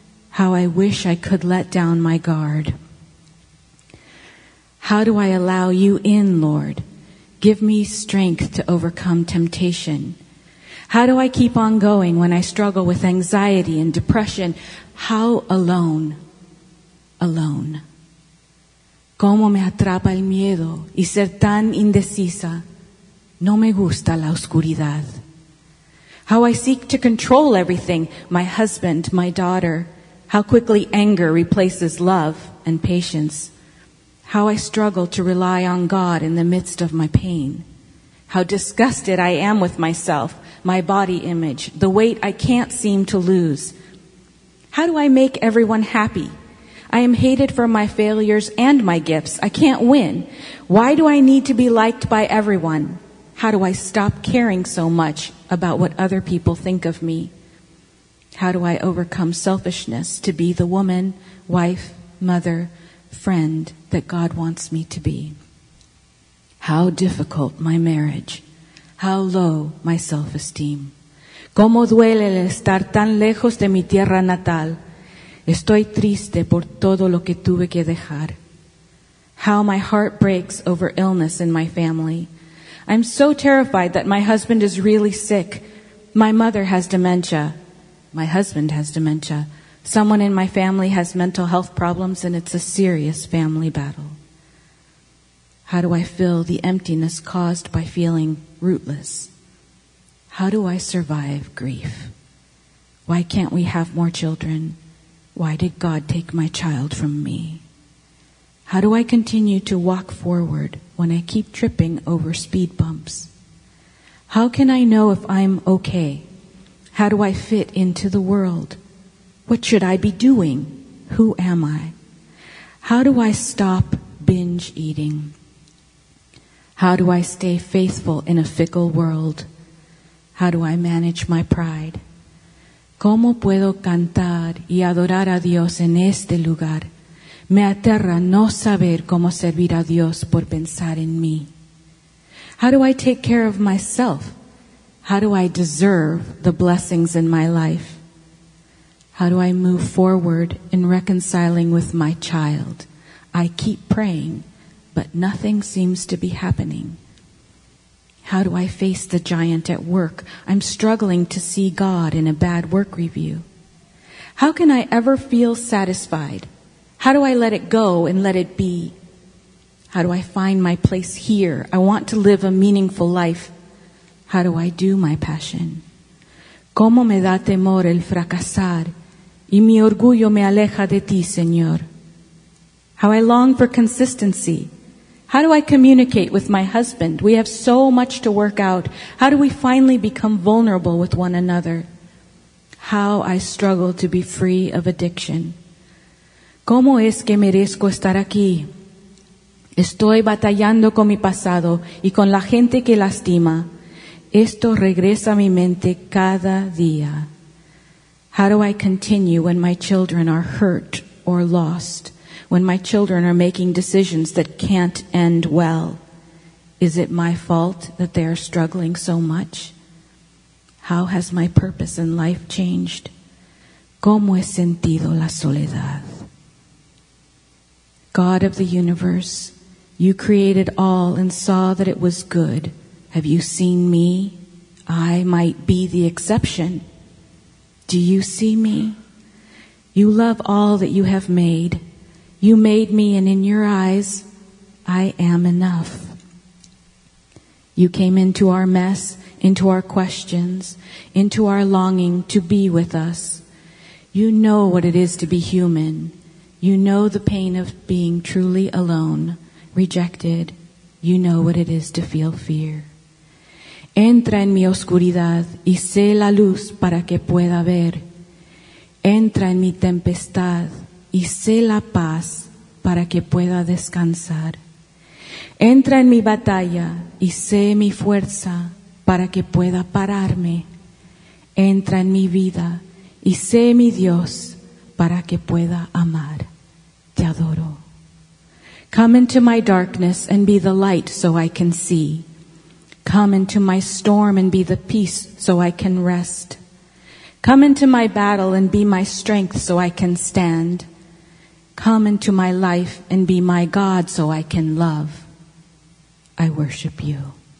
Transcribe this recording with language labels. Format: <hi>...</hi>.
<en>How I wish I could let down my guard. How do I allow you in, Lord? Give me strength to overcome temptation. How do I keep on going when I struggle with anxiety and depression? How alone? Alone.</en> <es>¿Cómo me atrapa el miedo y ser tan indecisa? No me gusta la oscuridad.</es> <en>How I seek to control everything, my husband, my daughter. How quickly anger replaces love and patience. How I struggle to rely on God in the midst of my pain. How disgusted I am with myself, my body image, the weight I can't seem to lose. How do I make everyone happy? I am hated for my failures and my gifts. I can't win. Why do I need to be liked by everyone? How do I stop caring so much about what other people think of me? How do I overcome selfishness to be the woman, wife, mother, friend that God wants me to be? How difficult my marriage. How low my self-esteem.</en> <es>¿Cómo duele el estar tan lejos de mi tierra natal? Estoy triste por todo lo que tuve que dejar.</es> <en>How my heart breaks over illness in my family. I'm so terrified that my husband is really sick. My mother has dementia. My husband has dementia. Someone in my family has mental health problems, and it's a serious family battle. How do I fill the emptiness caused by feeling rootless? How do I survive grief? Why can't we have more children? Why did God take my child from me? How do I continue to walk forward when I keep tripping over speed bumps? How can I know if I'm okay? How do I fit into the world? What should I be doing? Who am I? How do I stop binge eating? How do I stay faithful in a fickle world? How do I manage my pride?</en> <es>¿Cómo puedo cantar y adorar a Dios en este lugar? Me aterra no saber cómo servir a Dios por pensar en mí.</es> <en>How do I take care of myself? How do I deserve the blessings in my life? How do I move forward in reconciling with my child? I keep praying, but nothing seems to be happening. How do I face the giant at work? I'm struggling to see God in a bad work review. How can I ever feel satisfied? How do I let it go and let it be? How do I find my place here? I want to live a meaningful life. How do I do my passion?</en> <es>¿Cómo me da temor el fracasar? Y mi orgullo me aleja de ti, Señor.</es> <en>How I long for consistency. How do I communicate with my husband? We have so much to work out. How do we finally become vulnerable with one another? How I struggle to be free of addiction.</en> <es>¿Cómo es que merezco estar aquí? Estoy batallando con mi pasado y con la gente que lastima. Esto regresa a mi mente cada día.</es> <en>How do I continue when my children are hurt or lost? When my children are making decisions that can't end well? Is it my fault that they are struggling so much? How has my purpose in life changed?</en> <es>¿Cómo he sentido la soledad?</es> <en>God of the universe, you created all and saw that it was good. Have you seen me? I might be the exception. Do you see me? You love all that you have made. You made me, and in your eyes, I am enough. You came into our mess, into our questions, into our longing to be with us. You know what it is to be human. You know the pain of being truly alone, rejected. You know what it is to feel fear.</en> <es>Entra en mi oscuridad y sé la luz para que pueda ver. Entra en mi tempestad y sé la paz para que pueda descansar. Entra en mi batalla y sé mi fuerza para que pueda pararme. Entra en mi vida y sé mi Dios para que pueda amar. Te adoro.</es> <en>Come into my darkness and be the light so I can see. Come into my storm and be the peace so I can rest. Come into my battle and be my strength so I can stand. Come into my life and be my God so I can love. I worship you.</en>